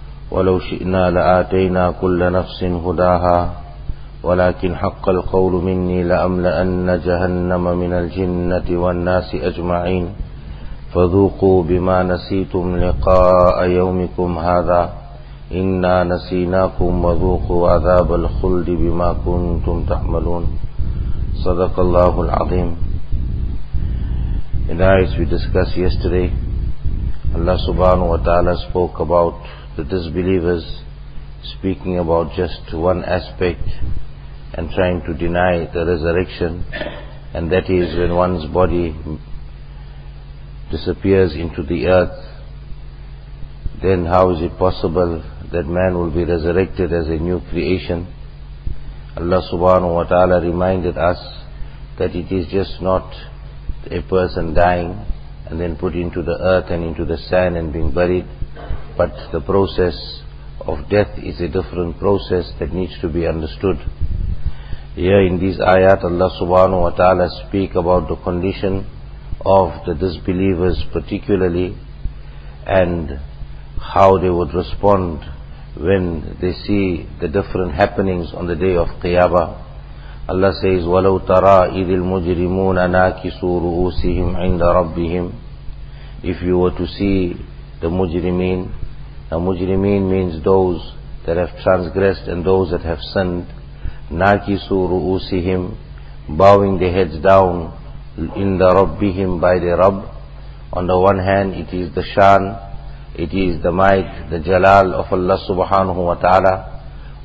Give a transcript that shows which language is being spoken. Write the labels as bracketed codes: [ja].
[ar] ولو شئنا لآتينا كل نفس هداها ولكن حق القول مني لأملأن جهنم من الجنة والناس أجمعين. فذوقوا بما نسيتم لقاء يومكم هذا إنا نسيناكم وذوقوا عذاب الخلد بما كنتم تعملون. صدق الله العظيم. [en] And as we discussed yesterday, Allah subhanahu wa ta'ala spoke about the disbelievers, speaking about just one aspect and trying to deny the resurrection, and that is when one's body disappears into the earth, then how is it possible that man will be resurrected as a new creation? Allah subhanahu wa ta'ala reminded us that it is just not a person dying and then put into the earth and into the sand and being buried, but the process of death is a different process that needs to be understood. Here in these ayat, Allah subhanahu wa ta'ala speak about the condition of the disbelievers particularly, and how they would respond when they see the different happenings on the day of Qiyamah. Allah says, [ar] وَلَوْ تَرَىٰ إِذِ الْمُجْرِمُونَ نَاكِسُوا رُؤُوسِهِمْ عِنْدَ رَبِّهِمْ. [en] If you were to see the mujrimeen, now mujrimeen means those that have transgressed and those that have sinned, [ar] نَاكِسُوا رُؤُوسِهِمْ, [en] bowing their heads down, in the Rabbihim, by the Rabb. On the one hand, it is the shan, it is the might, the jalal of Allah subhanahu wa ta'ala.